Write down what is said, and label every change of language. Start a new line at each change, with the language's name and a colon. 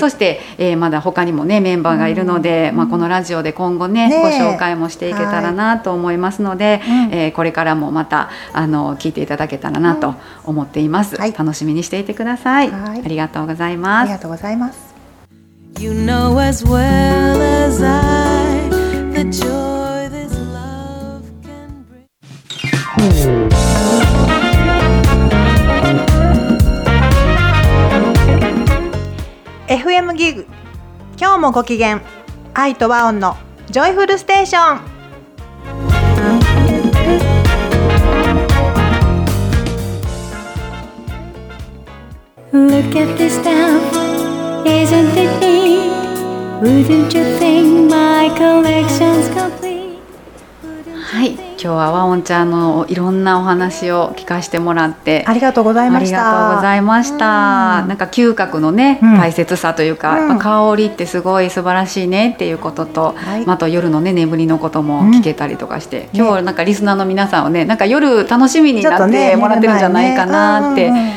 Japanese: そして、まだ他にも、ね、メンバーがいるので、うん、まあ、このラジオで今後、ね、ご紹介もしていけたらなと思いますので、はい、これからもまたあの聞いていただけたらなと思っています、うん、はい、楽しみにしていてください、はい、ありがとうございます、ありがとうございます。
English: You know as well as I the joy this love can bring.
Japanese: FM ギグ、今日もご機嫌、愛と和音のジョイフルステーション。
English: Look at this town, isn't it? Wouldn't you think my collection's complete?
Japanese: はい、今日はワオンちゃんのいろんなお話を聞かせてもらってありがとうございました。ありがとうございました。うん、なんか嗅覚のね、うん、大切さというか、うん、香りってすごい素晴らしいねっていうことと、はい、また夜のね眠りのことも聞けたりとかして、うん、今日なんかリスナーの皆さんをね、なんか夜楽しみになってもらってるんじゃないかなって。